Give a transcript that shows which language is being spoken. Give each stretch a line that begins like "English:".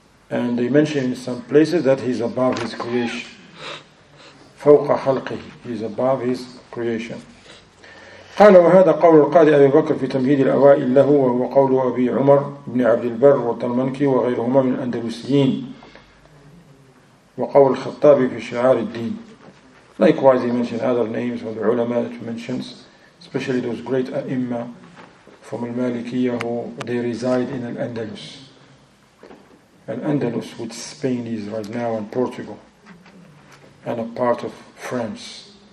English: And they mention in some places that He's above His creation.
Arabic: فَوْقَ خَلْقِهِ
English: He's above His creation.
Arabic: قال وهذا قول القاضي أبي بكر في تمهيد الأوائل له, وهو قول أبي عمر بن عبد البر والطلمنكي وغيرهما من الأندلسيين, وقول الخطاب في شعار الدين.
English: Likewise, he mentioned other names from the ulama that he mentions, especially those great a'imma from al-Malikiyya who they reside in al-Andalus. Al-Andalus, which Spain is right now, and Portugal, and a part of France.